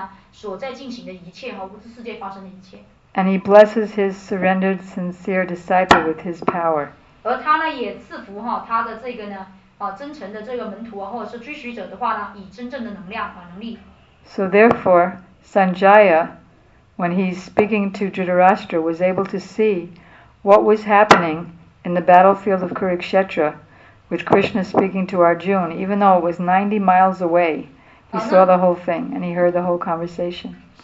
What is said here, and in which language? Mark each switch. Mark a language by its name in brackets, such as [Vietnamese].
[Chinese] 这样一位纯粹奉献者，并不是只是呢会引述经典啊，或者是一个有爱心的父亲啊，看起来啊像一个慈父哈，或者是慈母等等。但是而且呢，实际上呢，他完全呢知道呢所在进行的一切哈，物质世界发生的一切。 [English] And he blesses his surrendered, sincere disciple with his power. [Chinese] 而他呢也赐福哈他的这个呢啊真诚的这个门徒啊，或者是追随者的话呢，以真正的能量啊能力。 [English] So therefore, Sanjaya, when he's speaking to Dhritarashtra, was able to see what was happening in the battlefield of Kurukshetra with Krishna speaking to Arjuna, even though it was 90 miles away. He saw the whole thing and he heard the whole conversation.